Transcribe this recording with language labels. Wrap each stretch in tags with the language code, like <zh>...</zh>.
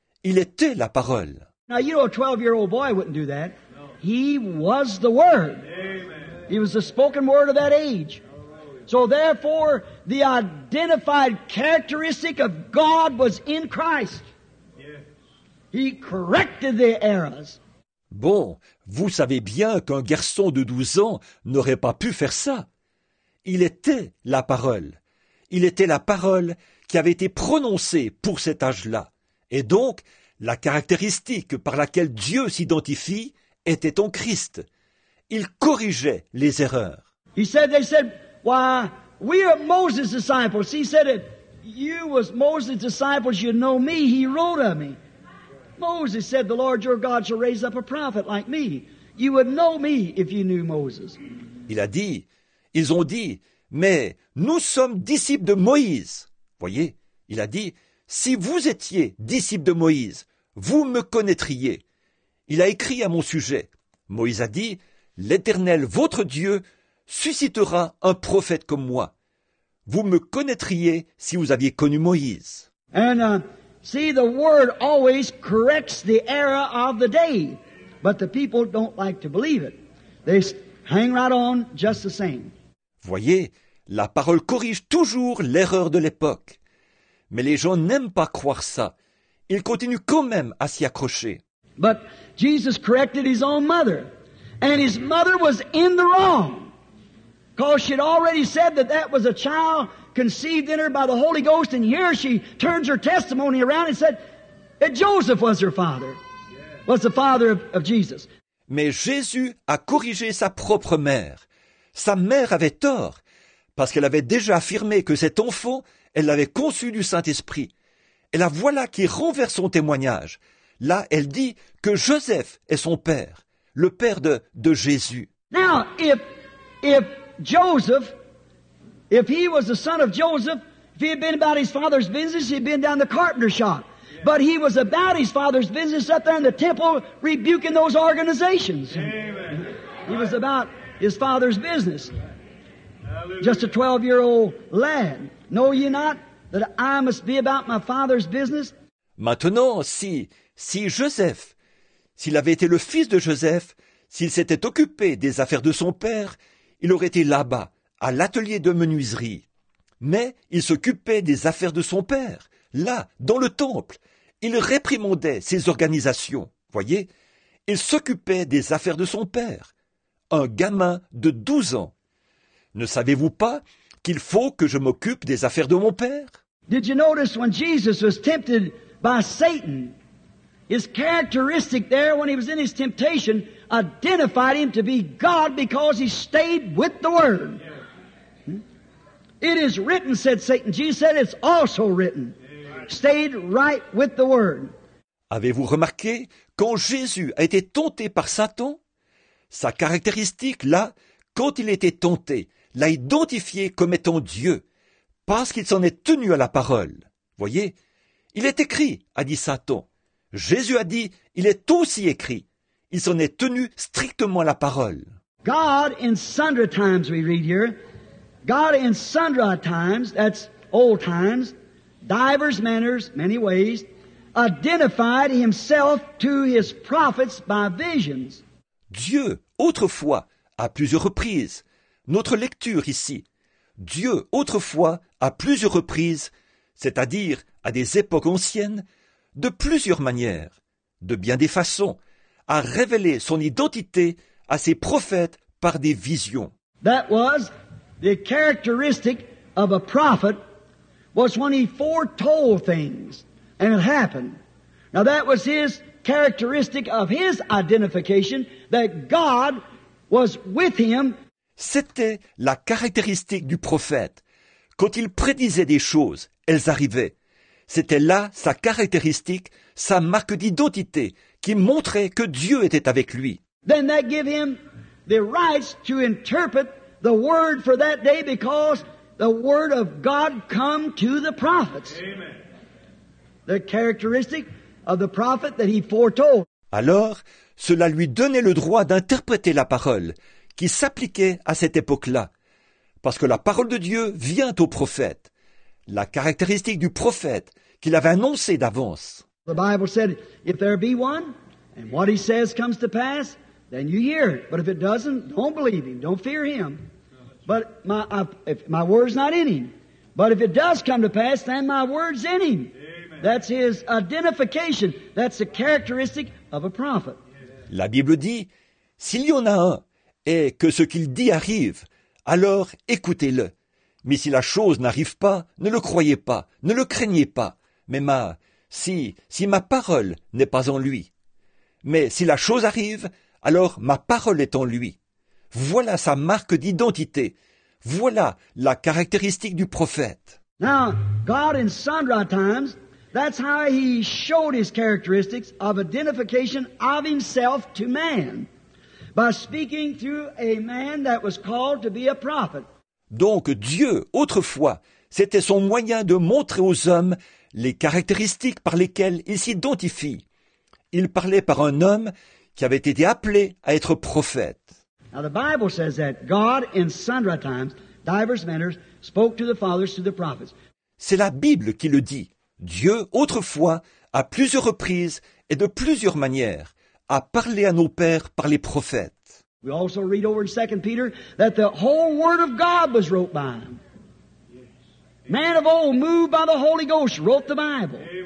<fr>Il était la parole.</fr> <en>Now you know a 12-year-old boy wouldn't do that. He was the Word. Amen. He was the spoken Word of that age. So therefore, the identified characteristic of God was in Christ. He corrected the errors.</en> <fr>Bon, vous savez bien qu'un garçon de 12 ans n'aurait pas pu faire ça. Il était la parole. Il était la parole qui avait été prononcée pour cet âge-là. Et donc, la caractéristique par laquelle Dieu s'identifie était en Christ. Il corrigeait les erreurs.</fr> <en>He said, they said, why, we are Moses' disciples. He said, if you was Moses' disciples, you'd know me. He wrote of me. Moses said, the Lord your God shall raise up a prophet like me. You would know me if you knew Moses.</en> <fr>Il a dit, ils ont dit, mais nous sommes disciples de Moïse. Voyez, il a dit, si vous étiez disciples de Moïse, vous me connaîtriez. Il a écrit à mon sujet. Moïse a dit, l'Éternel, votre Dieu, suscitera un prophète comme moi. Vous me connaîtriez si vous aviez connu Moïse.</fr> <en>And, see, the word always corrects the error of the day. But the people don't like to believe it. They hang right on just the same.</en> <fr>Voyez, la parole corrige toujours l'erreur de l'époque. Mais les gens n'aiment pas croire ça. Ils continuent quand même à s'y accrocher.</fr> <en>But Jesus corrected his own mother. And his mother was in the wrong. Because she had already said that that was a child conceived in her by the Holy Ghost. And here she turns her testimony around and said that Joseph was her father. Was the father of Jesus.</en> <fr>Mais Jésus a corrigé sa propre mère. Sa mère avait tort. Parce qu'elle avait déjà affirmé que cet enfant, elle l'avait conçu du Saint-Esprit. Et la voilà qui renverse son témoignage. Là, elle dit que Joseph est son père, le père de Jésus.</fr> <en>Now, if Joseph, if he was the son of Joseph, if he had been about his father's business, he'd been down the carpenter shop. Yeah. But he was about his father's business up there in the temple rebuking those organizations. Amen. He was about his father's business. Just a 12-year-old lad. Know ye not that I must be about my father's business?</en> <fr>Maintenant, si Joseph, s'il avait été le fils de Joseph, s'il s'était occupé des affaires de son père, il aurait été là-bas, à l'atelier de menuiserie. Mais il s'occupait des affaires de son père, là, dans le temple. Il réprimandait ses organisations, voyez. Il s'occupait des affaires de son père, un gamin de 12 ans. Ne savez-vous pas qu'il faut que je m'occupe des affaires de mon père?</fr> <en>Did you notice when Jesus was tempted by Satan, his characteristic there when he was in his temptation identified him to be God because he stayed with the Word. It is written, said Satan. Jesus said, it's also written. Stayed right with the Word.</en> <fr>Avez-vous remarqué quand Jésus a été tenté par Satan? Sa caractéristique là, quand il était tenté, l'a identifié comme étant Dieu, parce qu'il s'en est tenu à la parole. Voyez, il est écrit, a dit Satan. Jésus a dit, il est aussi écrit. Il s'en est tenu strictement à la parole.</fr> <en>God in sundry times, we read here. God in sundry times, that's old times. divers manners, many ways, identified himself to his prophets by visions.</en> <fr>Dieu, autrefois, à plusieurs reprises, notre lecture ici, Dieu, autrefois, à plusieurs reprises, c'est-à-dire à des époques anciennes, de plusieurs manières, de bien des façons, a révélé son identité à ses prophètes par des visions.</fr> <en>That was the characteristic of a prophet was when he foretold things and it happened. Now that was his characteristic of his identification that God was with him.</en> <fr>C'était la caractéristique du prophète. Quand il prédisait des choses, elles arrivaient. C'était là sa caractéristique, sa marque d'identité qui montrait que Dieu était avec lui.</fr> <en>Then that gave him the rights to interpret the word for that day because the word of God come to the prophets. Amen. The characteristic of the prophet that he foretold.</en> <fr>Alors, cela lui donnait le droit d'interpréter la parole qui s'appliquait à cette époque-là. Parce que la parole de Dieu vient au prophète. La caractéristique du prophète qu'il avait annoncé d'avance.</fr> <en>The Bible said, if there be one, and what he says comes to pass, then you hear it. But if it doesn't, don't believe him. Don't fear him. But my word's not in him. But if it does come to pass, then my word's in him. Amen. That's his identification. That's the characteristic of a prophet.</en> <fr>La Bible dit, s'il y en a un, et que ce qu'il dit arrive, alors écoutez-le. Mais si la chose n'arrive pas, ne le croyez pas, ne le craignez pas. Mais si ma parole n'est pas en lui. Mais si la chose arrive, alors ma parole est en lui. Voilà sa marque d'identité. Voilà la caractéristique du prophète.</fr> <en>Now, God in sundry times, that's how he showed his characteristics of identification of himself to man, by speaking through a man that was called to be a prophet.</en> <fr>Donc Dieu, autrefois, c'était son moyen de montrer aux hommes les caractéristiques par lesquelles il s'identifie. Il parlait par un homme qui avait été appelé à être prophète.</fr> <en>Now the Bible says that God in sundry times, divers manners, spoke to the fathers through the prophets.</en> <fr>C'est la Bible qui le dit. Dieu, autrefois, à plusieurs reprises et de plusieurs manières, a parlé à nos pères par les prophètes.</fr> <en>We also read over in 2 Peter that the whole word of God was wrote by him. Man of old, moved by the Holy Ghost, wrote the Bible.</en>